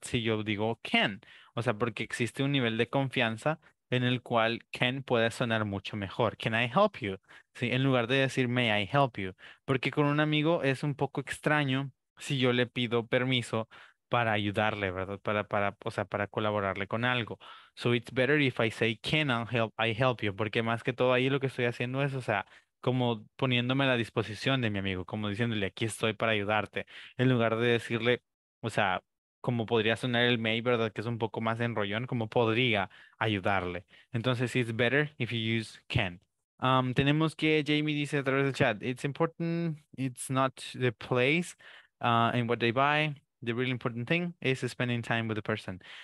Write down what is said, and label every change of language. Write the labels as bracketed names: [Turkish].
[Spanish] Si yo digo can, o sea, porque existe un nivel de confianza en el cual can puede sonar mucho mejor. [English] Can I help you? [Spanish] ¿Sí? En lugar de decir [English] may I help you. [Spanish] Porque con un amigo es un poco extraño si yo le pido permiso para ayudarle, ¿verdad? Para colaborarle con algo. [English] So it's better if I say, can I help you? [Spanish] Porque más que todo ahí lo que estoy haciendo es, o sea, como poniéndome a la disposición de mi amigo, como diciéndole, aquí estoy para ayudarte. En lugar de decirle, o sea, como podría sonar el may, ¿verdad? Que es un poco más enrollón, como podría ayudarle. [English] Entonces, it's better if you use can. [Spanish] Tenemos que Jamie dice a través del chat, [English] it's important, it's not the place and what they buy. The really important thing is spending time with the person.